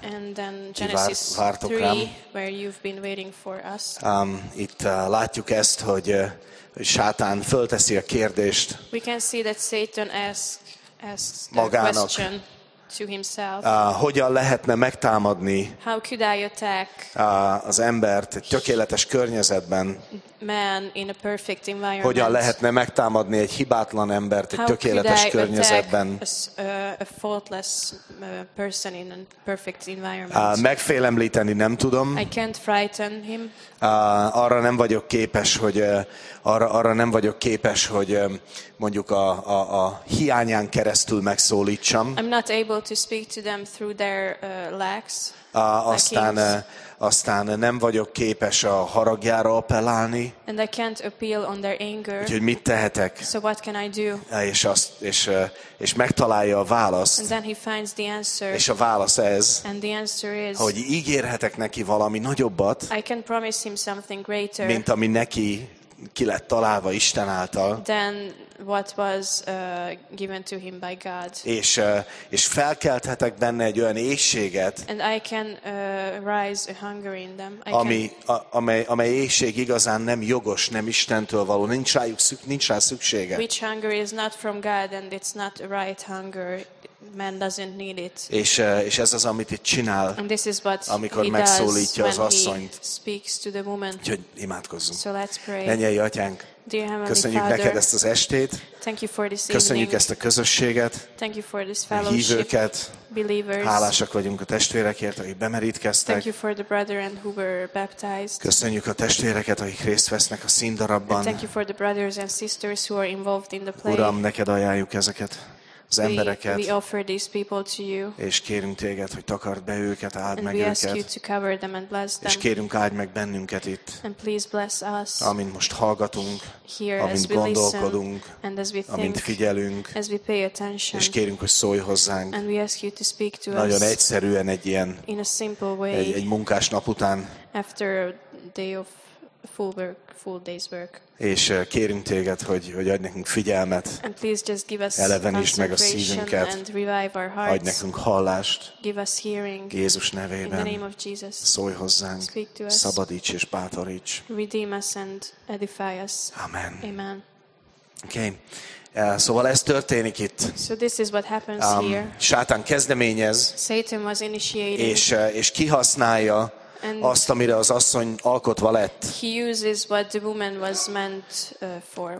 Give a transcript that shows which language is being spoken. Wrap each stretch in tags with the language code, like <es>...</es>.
<en>and then Genesis 3, where you've been waiting for us.</en> <hu>Látjuk ezt, hogy Sátán fölteszi a kérdést.</hu> <en>We can see that Satan asks the</en> <hu>magának</hu> <en>question. To himself.</en> <hu>Hogyan lehetne megtámadni</hu> <en>how could I attack</en> <hu>az embert egy tökéletes környezetben?</hu> <en>Man in a perfect environment.</en> <hu>Hogyan lehetne megtámadni egy hibátlan embert egy tökéletes környezetben?</hu> <en>A faultless person in a perfect environment.</en> <hu>Megfélemlíteni nem tudom.</hu> <en>I can't frighten him.</en> <hu>Arra nem vagyok képes, hogy arra nem vagyok képes, hogy mondjuk a hiányán keresztül megszólítsam.</hu> <en>I'm not able to speak to them through their lacks.</en> <hu>Aztán nem vagyok képes a haragjára appellálni.</hu> <en>And I can't appeal on their anger.</en> <hu>Úgyhogy mit tehetek?</hu> <en>So what can I do?</en> <hu>És megtalálja a választ.</hu> <en>And then he finds the answer.</en> <hu>És a válasz ez.</hu> <en>And the answer is.</en> <hu>Hogy ígérhetek neki valami nagyobbat.</hu> <en>I can promise him something greater.</en> <hu>Mint ami neki ki lett találva Isten által.</hu> <en>Then what was given to him by God.</en> <hu>És felkelthetek benne egy olyan éhséget.</hu> <en>And I can rise a hunger in them.</en> <hu>Amely éhség igazán nem jogos, nem Istentől való, nincs rá szüksége.</hu> <en>Which hunger is not from God and it's not right hunger. Man doesn't need it.</en> <hu>És ez az, amit itt csinál, amikor megszólítja az asszonyt.</hu> <en>Speaks to the woman.</en> <hu>Úgyhogy imádkozzunk.</hu> <en>So let's pray.</en> <hu>Mennyei atyánk,</hu> <en>Dear Heavenly</en> <hu>Köszönjük</hu> <en>Father,</en> <hu>neked ezt az estét.</hu> <en>Thank you for this</en> <hu>Köszönjük</hu> <en>evening.</en> <hu>Ezt a közösséget.</hu> <en>Thank you for this fellowship.</en> <hu>Hívőket.</hu> <en>Believers.</en> <hu>Hálásak vagyunk a testvérekért, akik bemerítkeztek.</hu> <en>Thank you for the brethren who were baptized.</en> <hu>Köszönjük a testvéreket, akik részt vesznek a színdarabban.</hu> <en>And thank you for the brothers and sisters who are involved in the play.</en> <hu>Uram, neked ajánljuk ezeket az embereket.</hu> <en>We offer these people to you.</en> <hu>És kérünk téged, hogy takard be őket, áld meg</hu> <en>we</en> <hu>őket.</hu> <en>Ask you to cover them and bless them.</en> <hu>És kérünk, áld meg bennünket itt.</hu> <en>And please bless us.</en> <hu>Amint most hallgatunk,</hu> <en>here,</en> <hu>amint</hu> <en>as we</en> <hu>gondolkodunk,</hu> <en>listen, and as we think,</en> <hu>amint figyelünk,</hu> <en>as we pay attention,</en> <hu>és kérünk, hogy szólj hozzánk.</hu> <en>And we ask you to speak to</en> <hu>nagyon</hu> <en>us</en> <hu>egyszerűen egy ilyen</hu> <en>in a simple way,</en> <hu>egy munkás nap után.</hu> <en>After a day of full work, full day's work.</en> <hu>És kérünk téged, hogy adj nekünk figyelmet,</hu> <en>and please just give us</en> <hu>elevenítsd meg a szívünket,</hu> <en>and revive our hearts.</en> <hu>Adj nekünk hallást,</hu> <en>give us hearing.</en> <hu>Jézus nevében,</hu> <en>in the name of Jesus.</en> <hu>Szólj hozzánk,</hu> <en>speak to us.</en> <hu>Szabadíts és bátoríts.</hu> <en>Redeem us and edify us.</en> <hu>Amen.</hu> <en>Amen.</en> <hu>Okay. Szóval ez történik itt.</hu> <en>So this is what happens here.</en> <hu>Sátán kezdeményez,</hu> <en>Satan was initiating.</en> <hu>És kihasználja and azt, amire az asszony alkotva lett.</hu> <en>He uses what the woman was meant for.</en>